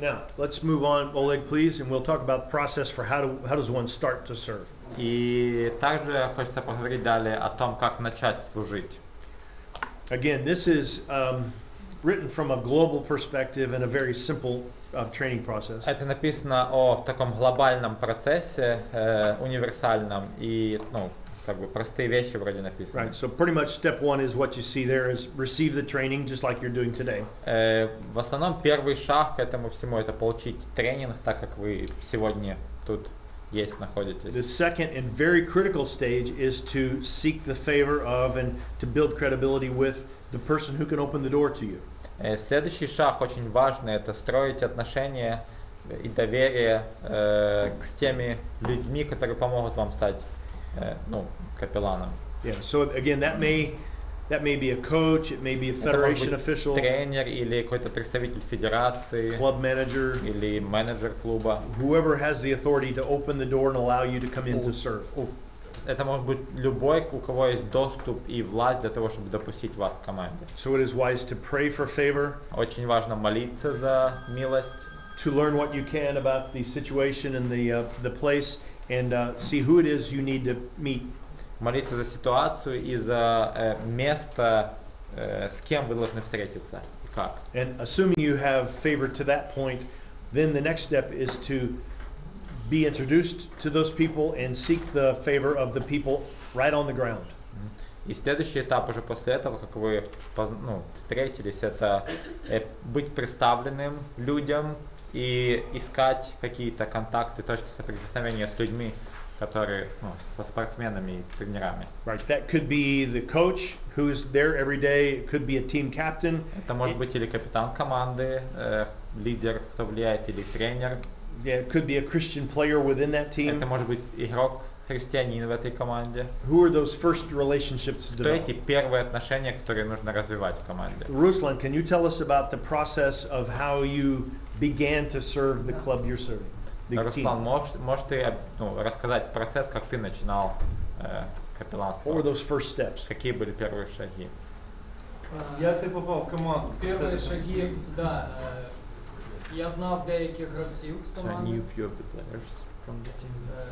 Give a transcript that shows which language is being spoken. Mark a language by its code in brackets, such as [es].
[en] Now, let's move on, Oleg, please, and we'll talk about the process for how does one start to serve. [ru] И также хочется поговорить далее о том, как начать служить. [en] Again, this is written from a global perspective and a very simple training process. [ru] Это написано о таком глобальном процессе, универсальном и, ну, как бы простые вещи вроде написаны. [en] Right. So pretty much step one is what you see there is receive the training just like you're doing today. [ru] В основном первый шаг к этому всему это получить тренинг, так как вы сегодня тут есть, находитесь. [en] The second and very critical stage is to seek the favor of and to build credibility with the person who can open the door to you. [ru] Следующий шаг очень важный, это строить отношения и доверие к с теми людьми, которые помогут вам стать, ну, капелланом. [en] Yeah, so again, that may be a coach, it may be a federation official, [ru] тренер или какой-то представитель федерации, [en] club manager, [ru] или менеджер клуба. [en] Whoever has the authority to open the door and allow you to come in to serve. [ru] Это может быть любой, у кого есть доступ и власть для того, чтобы допустить вас в команде. [en] So it is wise to pray for favor. [ru] Очень важно молиться за милость. [en] To learn what you can about the situation and the place and see who it is you need to meet. [ru] Молиться за ситуацию и за место, с кем вы должны встретиться и как. [en] And assuming you have favor to that point, then the next step is to be introduced to those people and seek the favor of the people right on the ground. [ru] И следующий этап уже после этого, как вы встретились, это быть представленным людям и искать какие-то контакты, точки соприкосновения с людьми, которые, ну, со спортсменами и тренерами. [en] Right, that could be the coach who's there every day, it could be a team captain. [ru] Это может быть или капитан команды, лидер, кто влияет, или тренер. [en] Yeah, it could be a Christian player within that team. [ru] Это может быть игрок христианин в этой команде? [en] Who are those first relationships to develop? [ru] Кто эти первые отношения, которые нужно развивать в команде? [en] Руслан, can you tell us about the process of how you began to serve the club you're serving? [ru] Руслан, можешь ты рассказать процесс, как ты начинал капелланство? [en] What were those first steps? [ru] Какие были первые шаги? Я попал в команду. Первые шаги, да. [uk] Я знав деяких гравців з команди. [en] So I knew a few of the players from the team.